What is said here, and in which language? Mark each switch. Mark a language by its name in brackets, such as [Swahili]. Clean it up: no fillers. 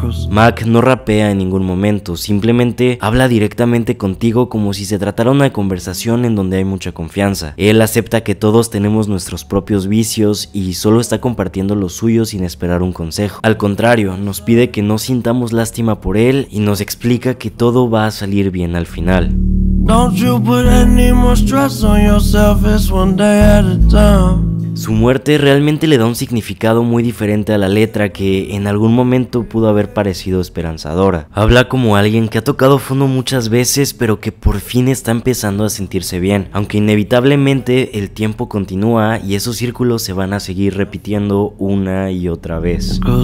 [Spanish] Mac no rapea en ningún momento, simplemente habla directamente contigo como si se tratara una conversación en donde hay mucha confianza. Él acepta que todos tenemos nuestros propios vicios y solo está compartiendo los suyos sin esperar un consejo. Al contrario, nos pide que no sintamos lástima por él y nos explica que todo va a salir bien al final. [English] Don't you put any more stress on yourself, it's one day at a time. [Spanish] Su muerte realmente le da un significado muy diferente a la letra que en algún momento pudo haber parecido esperanzadora. Habla como alguien que ha tocado fondo muchas veces, pero que por fin está empezando a sentirse bien. Aunque inevitablemente el tiempo continúa y esos círculos se van a seguir repitiendo una y otra vez.